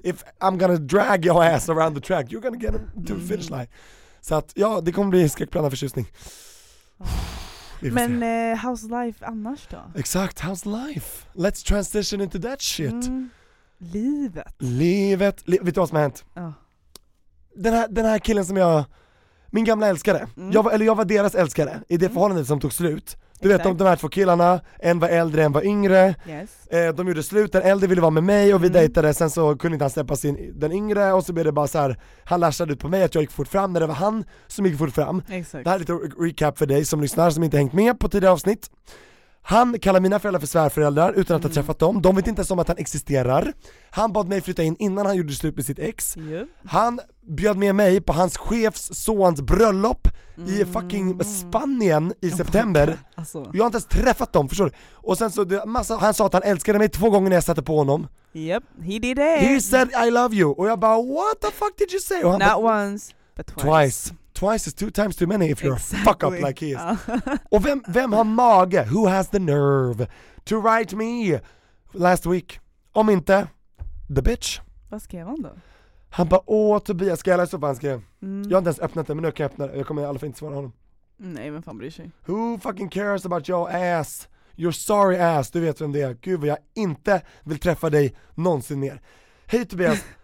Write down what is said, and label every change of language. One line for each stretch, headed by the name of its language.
English: If I'm gonna drag your ass around the track, you're gonna get to the finish line.
Swedish: Så att, ja, det kommer bli en skräckblandad förtjusning. Men
English: how's life
Swedish: annars då? Exakt,
English: how's life? Let's transition into that shit. Mm.
Swedish: Livet. Livet. Vet du vad som har hänt? Den här killen som jag... Min gamla älskare. Mm. Jag var deras älskare i det förhållandet som tog slut. Du vet, de här två killarna, en var äldre, en var yngre.
English: Yes.
Swedish: De gjorde slut, den äldre ville vara med mig och vi dejtade. Sen så kunde inte han släppa sin den yngre, och så blev det bara så här, han lashade ut på mig att jag gick fort fram när det var han som gick fort fram. Exakt. Det här är lite recap för dig som lyssnar som inte hängt med på tidigare avsnitt. Han kallar mina föräldrar för svärföräldrar utan att ha träffat dem. De vet inte ens om att han existerar. Han bad mig flytta in innan han gjorde slut med sitt ex.
English: Yep.
Swedish: Han bjöd med mig på hans chefs sons bröllop i fucking Spanien i september. Alltså. Jag har inte ens träffat dem, förstår du? Och sen så, han sa att han älskade mig 2 gånger när jag satte på honom.
English: Yep, he did it. He said I love you.
Swedish: Och jag bara,
English: what the fuck did you say? Not once, but twice. Twice. Twice is 2 times too many if you're exactly a fuck up like he is.
Swedish: Och vem har mage?
English: Who has the nerve to write me last week?
Swedish: Om inte,
English: the bitch.
Swedish: Vad skrev han då? Han bara, åh Tobias, ska jag läsa upp vad han skrev? Jag har inte ens öppnat det, men nu kan jag öppna det. Jag kommer i alla fall inte svara honom. Nej, men fan bryr sig.
English: Who fucking cares about your ass? Your sorry ass,
Swedish: du vet vem det är. Gud vad jag inte vill träffa dig någonsin mer. Hej Tobias.